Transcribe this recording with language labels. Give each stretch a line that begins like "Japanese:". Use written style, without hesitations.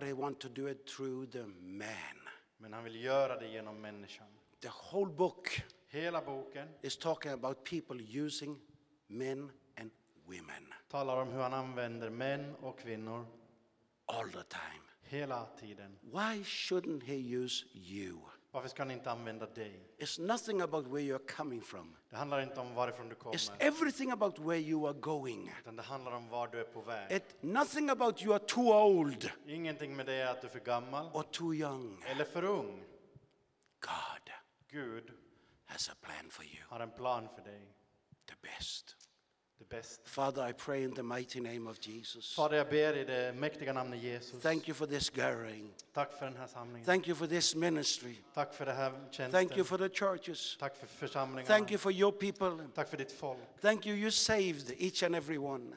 English: But he want to do it through the man.
Swedish: Men han vill göra det genom människan.
English: The whole book.
Swedish: Hela boken.
English: Is talking about people using men and women.
Swedish: Talar om hur han använder män och kvinnor.
English: All the time.
Swedish: Hela tiden.
English: Why shouldn't he use you?
Swedish: Varför ska han inte använda dig?
English: It's nothing about where you're coming from.
Swedish: Det handlar inte om varifrån du kommer.
English: It's everything about where you are going.
Swedish: Utan det handlar om var du är på väg.
English: It's nothing about you are too old.
Swedish: Ingenting med det är att du är för gammal.
English: Or too young.
Swedish: Eller för ung.
English: God.
Swedish: Gud.
English: Has a plan for you.
Swedish: Har en plan för dig.
English: The best. The best. Father, I pray in the mighty name of Jesus.
Swedish: Fader, jag ber i det mäktiga namnet Jesus.
English: Thank you for this gathering.
Swedish: Tack för den här samlingen.
English: Thank you for this ministry.
Swedish: Tack för det här tjänsten.
English: Thank you for the churches.
Swedish: Tack för församlingarna.
English: Thank you for your people.
Swedish: Tack för ditt folk.
English: Thank you, you saved each and every one.